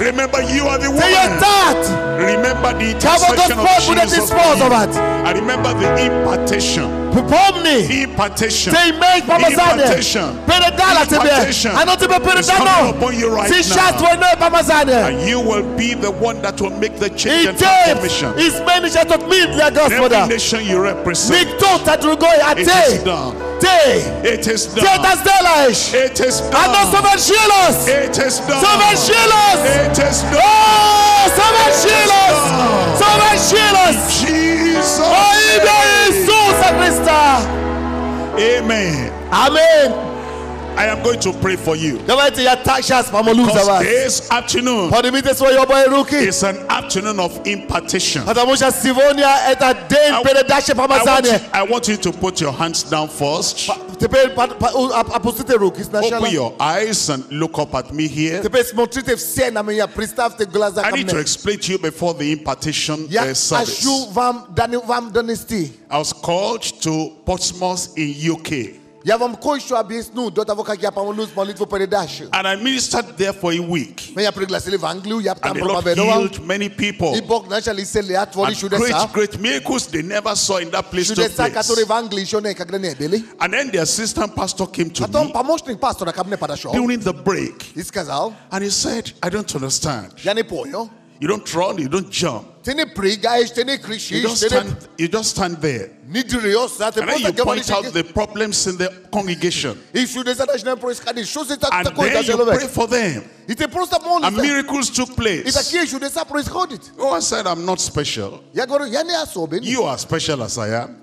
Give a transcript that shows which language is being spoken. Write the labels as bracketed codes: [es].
[en] Remember you are the woman. [ru] Ты есть тот. [en] Remember the intercession of Jesus of you. And remember the impartation. [ru] Помни. [en] Impartation. [ru] Ты имеешь помазание. [en] Impartation. [ru] Передала тебе. Оно тебе передано. Сейчас двойное помазание. [en] And you will be the one that will make the change and transformation. It is managed to meet your God. Every nation you represent. It is done. It is done. It is done. It is done. It is done. It is done. It is done. It is done. It is done. Jesus. Oh, in the name of Jesus. Amen. Amen. I am going to pray for you. [ru] Давайте я так сейчас помолюсь за вас. [en] Because this afternoon, [ru] поднимите свои обои руки. [en] It's an afternoon of impartation. [ru] Потому что сегодня это день передачи помазания. [en] I want you to put your hands down first. [ru] Теперь опустите руки сначала. [en] Open your eyes and look up at me here. [ru] Теперь смотрите все на меня. Представьте глаза ко мне. [en] I need to explain to you before the impartation service. [ru] Я хочу вам донести. [en] I was called to Portsmouth in UK. [ru] Я вам кое-что объясню до того, как я помолюсь молитву передачи. [en] And I ministered there for a week. [ru] Меня пригласили в Англию, я там проповедовал. [en] And the Lord healed many people. [ru] И Бог начал исцелять творить чудеса. [en] And great miracles they never saw in that place. [ru] Чудеса, которые в Англии еще никогда не были. [en] And then the assistant pastor came to me. [ru] Потом помощник пастора ко мне подошел. [en] During the break. [ru] И сказал. [en] And he said, I don't understand. [ru] Я не понял. [en] You don't run, you don't jump. [ru] Ты не прыгаешь, ты не кричишь. [en] You just stand there. And then you point out the problems in the congregation. And then you pray for them. And miracles took place. Oh, I said, I'm not special. You are special as I am.